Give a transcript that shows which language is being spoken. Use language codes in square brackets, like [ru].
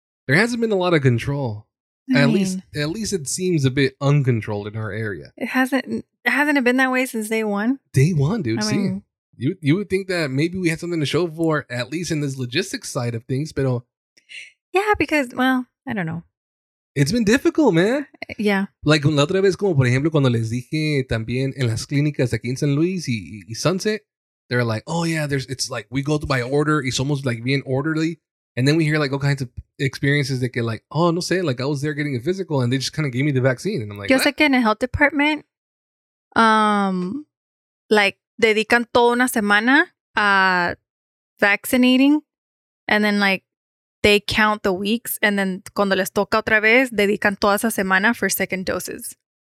[en] There hasn't been a lot of control. At least it seems a bit uncontrolled in our area. Hasn't it been that way since day one? Day one, dude. You would think that maybe we had something to show for, at least in this logistics side of things, but... Yeah, because, well, I don't know. It's been difficult, man. Yeah. [es] Like, la otra vez, como por ejemplo, cuando les dije también en las clínicas aquí en San Luis y Sunset, [en] they're like, oh, yeah, it's like, we go by order, [es] y somos [en] like being orderly. And then we hear like all kinds of experiences that get like, oh, [es] no sé, [en] like I was there getting a physical, and they just kind of gave me the vaccine. And I'm like, [es] yo sé que en el [en] health department, like, [es] dedican toda una semana [en] vaccinating, and then like they count the weeks, and then [es] cuando les toca otra vez, dedican toda esa semana [en] for second doses.